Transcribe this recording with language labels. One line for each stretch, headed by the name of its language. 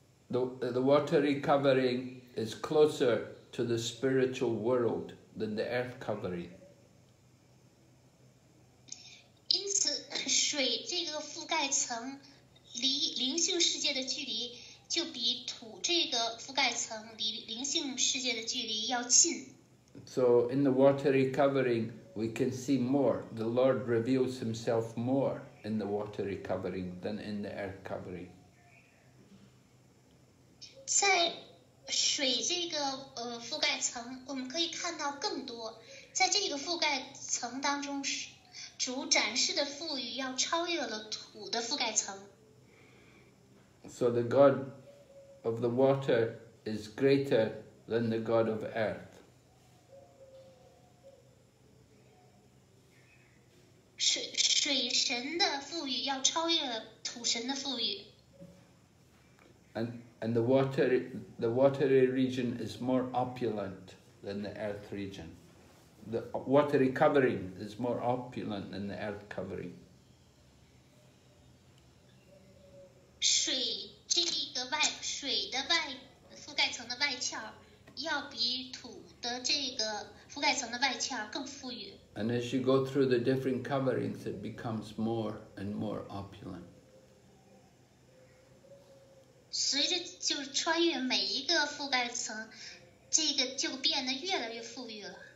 English: The watery covering is closer to the spiritual world than the earth covering.
Chinese: 因此，水这个覆盖层离灵性世界的距离就比土这个覆盖层离灵性世界的距离要近。
English: So in the watery covering, we can see more. The Lord reveals Himself more in the watery covering than in the earth covering.
Chinese: 在水这个覆盖层，我们可以看到更多。在这个覆盖层当中，主展示的富裕要超越了土的覆盖层。
English: So the God of the water is greater than the God of earth.
Chinese: 水神的富裕要超越土神的富裕。
English: And the watery region is more opulent than the earth region. The watery covering is more opulent than the earth covering.
Chinese: 水的外覆盖层的外壳要比土的这个覆盖层的外壳更富裕。
English: And as you go through the different coverings, it becomes more and more opulent.
Chinese: 随着就穿越每一个覆盖层，这个就变得越来越富裕了。